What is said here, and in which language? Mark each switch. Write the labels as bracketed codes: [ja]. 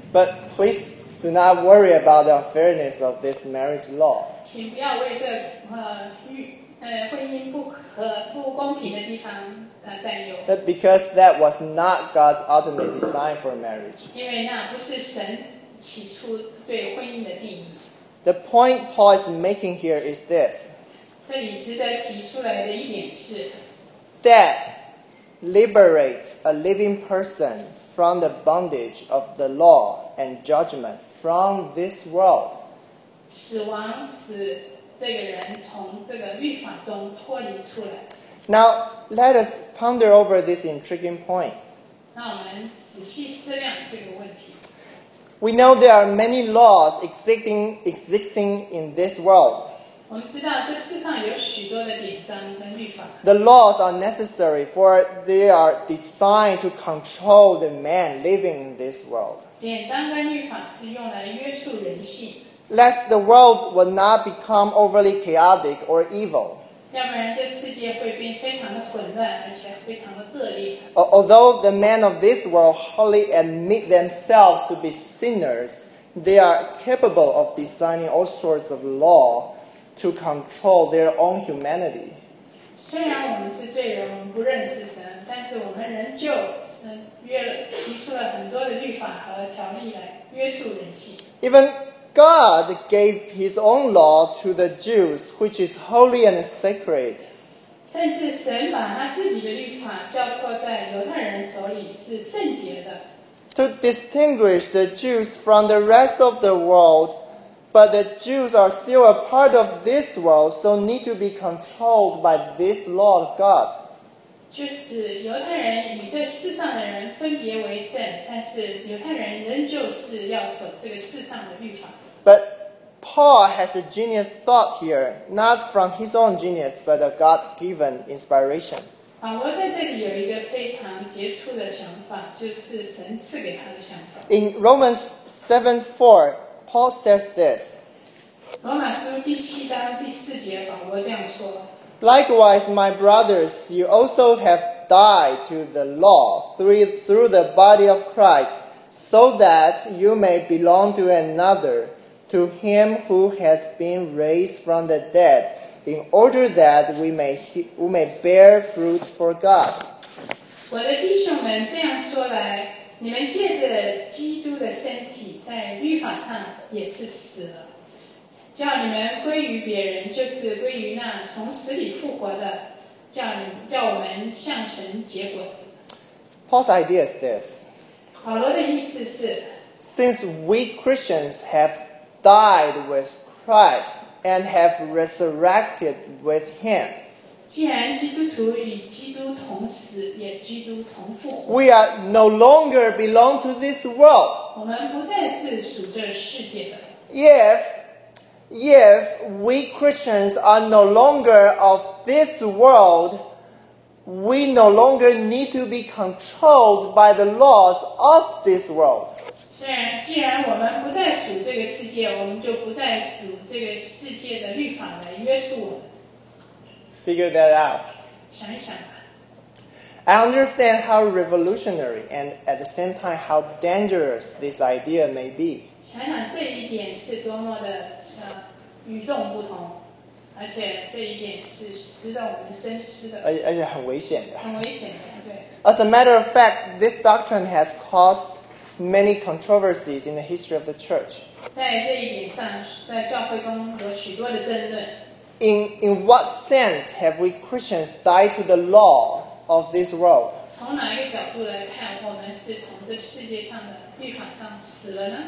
[en] But please do not worry about the unfairness of this marriage law. [zh] 请不要为这婚姻不公平的地方担忧。 [en] But because that was not God's ultimate design for marriage. [zh] 因为那不是神起初对婚姻的定义。 [en] The point Paul is making here is this. [zh] 这里值得提出来的一点是 [en] Death liberates a living person from the bondage of the law and judgment from this world. [zh] 死亡使这个人从这个律法中脱离出来。 [en] Now, let us ponder over this intriguing point. [zh] 那我们仔细思量这个问题。 [en] We know there are many laws existing in this world. [zh] 我们知道这世上有许多的典章跟律法。 [en] The laws are necessary, for they are designed to control the man living in this world. [zh] 典章跟律法是用来约束人性。 [en] Lest the world will not become overly chaotic or evil. [zh] 要不然这世界会变非常的混乱，而且非常的恶劣。 [en] Although the men of this world wholly admit themselves to be sinners, they are capable of designing all sorts of law. To control their own humanity. [zh] 虽然我们是罪人，我们不认识神，但是我们仍旧提出了很多的律法和条例来约束人性。 [en] Even God gave His own law to the Jews, which is holy and sacred. [zh] 甚至神把他自己的律法交托在犹太人手里，是圣洁的。 [en] To distinguish the Jews from the rest of the world. But the Jews are still a part of this world, so need to be controlled by this law of God. [zh] 就是犹太人与这世上的人分别为圣，但是犹太人仍旧是要守这个世上的律法。 [en] But Paul has a genius thought here, not from his own genius, but a God-given inspiration. [zh] 保罗在这里有一个非常杰出的想法，就是神赐给他的想法。 [en] In Romans 7:4. Paul says this. [zh] 罗马书第七章第四节，保罗这样说。 [en] Likewise, my brothers, you also have died to the law through the body of Christ, so that you may belong to another, to him who has been raised from the dead, in order that we may bear fruit for God. [zh] 我的弟兄们这样说来。你们借着基督的身体在律法上也是死了，叫你们归于别人，就是归于那从死里复活的，叫我们向神结果子。 [en] Paul's idea is this. [zh] 保罗的意思是 [en] Since we Christians have died with Christ and have resurrected with him, [zh] 既然基督徒与基督同死，也基督同复活。 [en] We are no longer belong to this world. [zh] 我们不再是属这世界的。 [en] If we Christians are no longer of this world, we no longer need to be controlled by the laws of this world. [zh] 既然我们不再属这个世界，我们就不再属这个世界的律法来约束我们。 [en] Figure that out. [zh] 想一想吧。 [en] I understand how revolutionary and at the same time how dangerous this idea may be. [zh] 想想这一点是多么的与众不同，而且这一点是值得我们深思的。而且很危险的。很危险的，对。 [en] As a matter of fact, this doctrine has caused many controversies in the history of the church. [zh] 在这一点上，在教会中有许多的争论。 [en] In what sense have we Christians died to the laws of this world? [zh] 从哪一个角度来看，我们是从这世界上的律法上死了呢？